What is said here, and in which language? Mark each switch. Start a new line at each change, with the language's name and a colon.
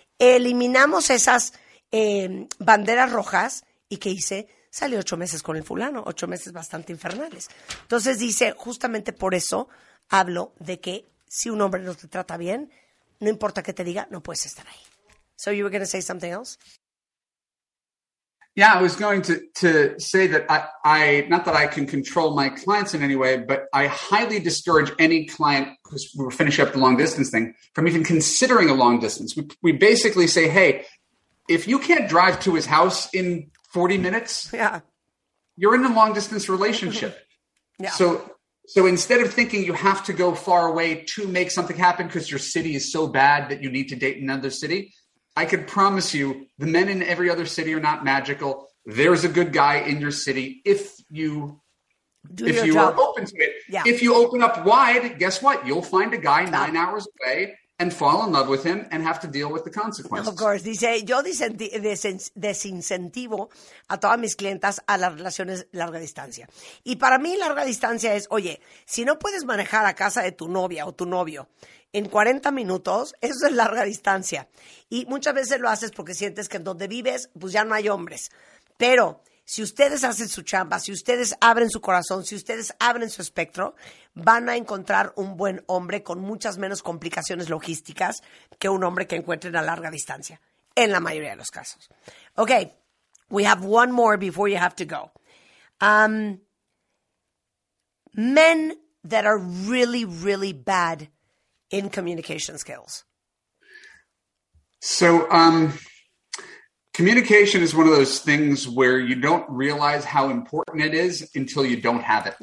Spanish: Eliminamos esas banderas rojas y ¿qué hice? Salí 8 meses con el fulano, 8 meses bastante infernales. Entonces dice, justamente por eso hablo de que si un hombre no te trata bien, no importa qué te diga, no puedes estar ahí.
English: So you were going to say something else? Yeah, I was going to say that I not that I can control my clients in any way, but I highly discourage any client, because we were finishing up the long distance thing, from even considering a long distance. We basically say, hey, if you can't drive to his house in 40 minutes, yeah, you're in a long distance relationship. Yeah. So instead of thinking you have to go far away to make something happen because your city is so bad that you need to date another city, I could promise you the men in every other city are not magical. There's a good guy in your city if you are open to it. Yeah. If you open up wide, guess what? You'll find a guy 9 hours away and fall in love with him and have to deal with the consequences. Of course.
Spanish: Dice, yo desincentivo a todas mis clientas a las relaciones larga distancia. Y para mí larga distancia es, oye, si no puedes manejar a casa de tu novia o tu novio en 40 minutos, eso es larga distancia. Y muchas veces lo haces porque sientes que en donde vives, pues ya no hay hombres. Pero si ustedes hacen su chamba, si ustedes abren su corazón, si ustedes abren su espectro, van a encontrar un buen hombre con muchas menos complicaciones logísticas que un hombre que encuentren a larga distancia, en la mayoría de los casos.
English: Okay, we have one more before you have to go. Men that are really, really bad in communication skills. So communication is one of those things where you don't realize how important it is until you don't have it.